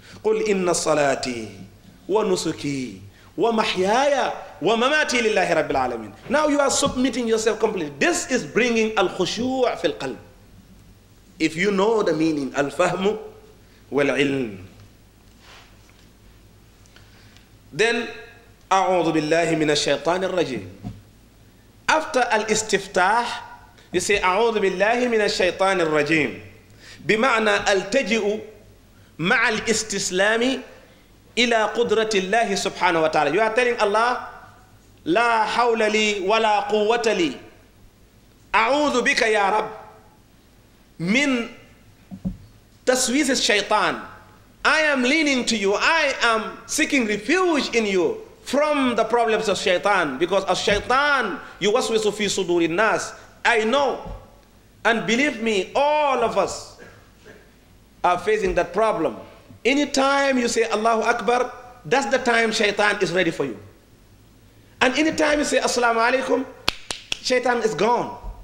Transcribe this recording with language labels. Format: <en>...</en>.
<ar>قُلْ إِنَّ صَلَاتِي وَنُسُكِي وَمَحْيَايَ وَمَمَاتِي لِلَّهِ رَبِّ الْعَالَمِينَ.</ar> <en>Now you are submitting yourself completely. This is bringing</en> <ar>al-khushu' fi al-qalb.</ar> <en>If you know the meaning,</en> <ar>al-fahmu wal-ilm. Then, أَعُوذُ بِاللَّهِ مِنَ الشَّيْطَانِ الرَّجِيمِ.</ar> <en>After al-istiftah, you say,</en> <ar>أعوذ بالله من الشيطان الرجيم. بمعنى التجئ مع الاستسلام إلى قدرة الله سبحانه وتعالى.</ar> <en>You are telling Allah,</en> <ar>لا حول لي ولا قوة لي. أعوذ بك يا رب من تسويس الشيطان.</ar> <en>I am leaning to you. I am seeking refuge in you from the problems of shaitan. Because of shaitan,</en> <ar>يوسوس في صدور الناس.</ar> <en>I know, and believe me, all of us are facing that problem. Anytime you say Allahu Akbar, that's the time shaitan is ready for you. And anytime you say Assalamu Alaikum, shaitan is gone.</en>